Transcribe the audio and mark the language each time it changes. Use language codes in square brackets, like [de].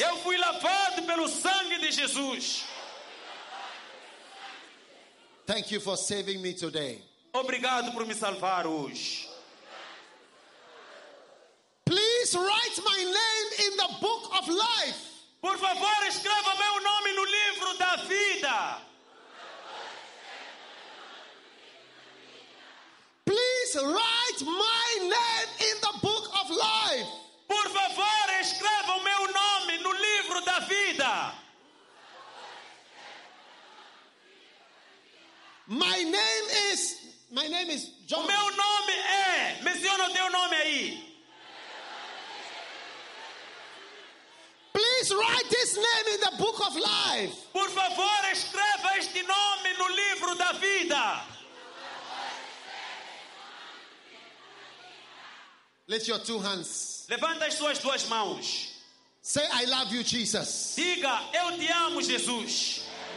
[pt] Eu fui lavado pelo sangue de Jesus. [en] Thank you for saving me today. [pt] Obrigado por me salvar hoje. [en] Please write my name in the book of life. [pt] Por favor, escreva meu nome no livro da vida. [en] Please write my name in the book of life. [pt] Por favor, escreva o meu nome no livro da vida. [en] My name is John. [pt] O meu nome é. Menciona o teu nome aí. [en] Please write this name in the book of life. [pt] Por favor, escreva este nome no livro da vida. [en] Lift your two hands. [pt] Levanta as suas duas mãos. [en] Say, I love you, Jesus. [pt] Diga, eu te amo, Jesus.